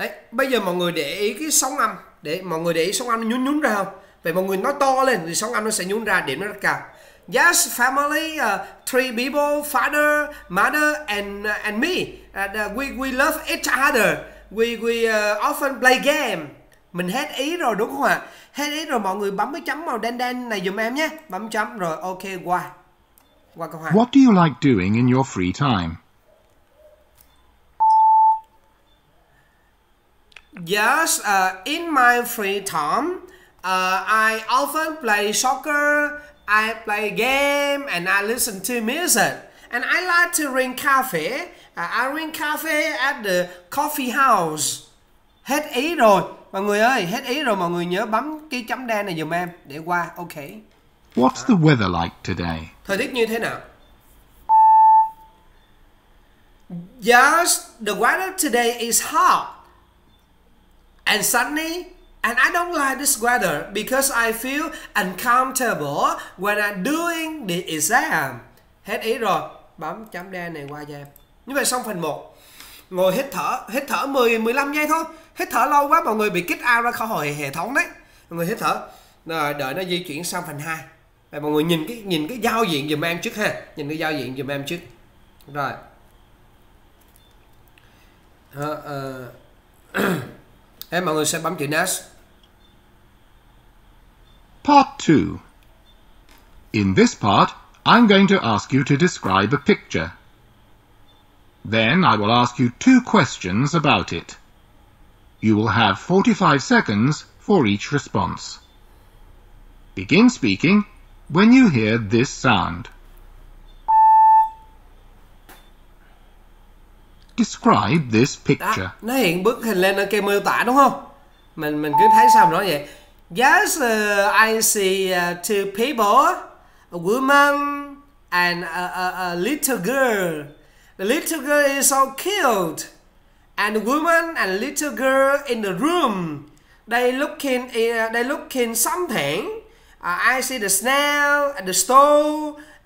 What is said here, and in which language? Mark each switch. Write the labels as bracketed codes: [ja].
[vi] bây giờ mọi người để ý cái sóng âm, để mọi người để ý sóng âm nó nhún nhún ra không? Vậy mọi người nói to lên thì sóng âm nó sẽ nhún ra, điểm nó rất cao. [en] Yes, family, three people, father, mother, and me. We love each other. We often play game. [vi] Mình hết ý rồi đúng không ạ? Hết ý rồi mọi người bấm cái chấm màu đen đen này giùm em nhé. Bấm chấm rồi, ok, qua. Qua câu hỏi. [en] What do you like doing in your free time? Yes, in my free time, I often play soccer. I play game and I listen to music. And I like to drink coffee. I drink coffee at the coffee house. [vi] Hết ý rồi. Mọi người ơi, hết ý rồi. Mọi người nhớ bấm cái chấm đen này giùm em để qua. Ok. [en] What's the weather like today? [vi] Thời tiết như thế nào? [en] Yes, the weather today is hot and sunny. And I don't like this weather because I feel uncomfortable when I'm doing the exam. [vi] Hết ý rồi. Bấm chấm đen này qua cho em. Như vậy xong phần 1. Ngồi hít thở. Hít thở 10-15 giây thôi. Hít thở lâu quá mọi người bị kick out ra khỏi hệ thống đấy. Mọi người hít thở. Rồi đợi nó di chuyển sang phần 2. Rồi, mọi người nhìn cái giao diện giùm em trước ha. Nhìn cái giao diện giùm em trước. Rồi. Thế mọi người sẽ bấm chữ Next. [en] Part 2. In this part, I'm going to ask you to describe a picture. Then I will ask you two questions about it. You will have 45 seconds for each response. Begin speaking when you hear this sound. Describe this picture. [vi] Đó, nó hiện bức hình lên, ok, miêu tả đúng không? Mình cứ thấy sao mà nói vậy. [en] Yes, I see two people, a woman and a little girl. The little girl is so cute. And the woman and little girl in the room. They looking something. I see the snail and the stove.